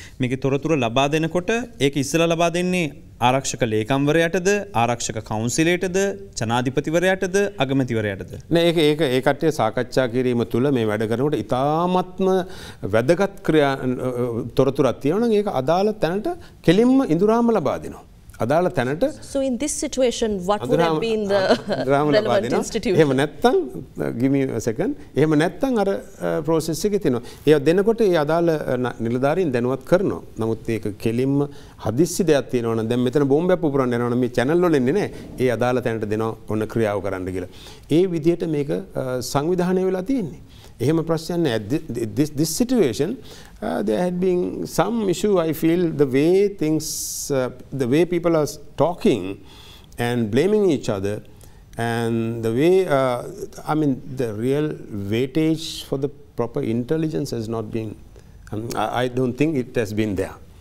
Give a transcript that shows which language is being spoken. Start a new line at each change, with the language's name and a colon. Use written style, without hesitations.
Sinhala: මේකේ තොරතුර ලබා දෙනකොට ඒක ඉස්සෙල්ලා ලබා දෙන්නේ ආරක්ෂක ලේකම්වරයාටද, ආරක්ෂක කවුන්සිලයටද, ජනාධිපතිවරයාටද, අගමැතිවරයාටද? නෑ, ඒක ඒක ඒ කට්ටිය සාකච්ඡා කිරීම තුළ මේ වැඩ කරනකොට ඉතාමත්ම වැදගත් ක්‍රියා තොරතුරක් තියෙනවා නම් ඒක අදාළ තැනට කෙලින්ම ඉඳුරාම ලබා දෙනවා. අදාළ තැනට.
English: So in this situation what would have been the relevant institute?
Sinhala: එහෙම නැත්නම්
English: give me a second.
Sinhala: එහෙම නැත්නම් අර process එකේ තිනවා. ඒක දෙනකොට ඒ අදාළ නිලධාරීන් දැනුවත් කරනවා. නමුත් ඒක කෙලින්ම හදිස්සි දෙයක් තියෙනවා නම් දැන් මෙතන බෝම්බයක් පුපුරන්න යනවා නම් මේ channel වල එන්නේ නැහැ. ඒ අදාළ තැනට දෙනවා ඔන්න ක්‍රියාව කරන්න කියලා. ඒ විදිහට මේක සංවිධානය වෙලා තියෙන්නේ. එහෙම ප්‍රශ්නයක් නැහැ.
English: This situation there had been some issue. I feel the way things the way people are talking and blaming each other and the way the real weightage for the proper intelligence has not been I don't think it has been there.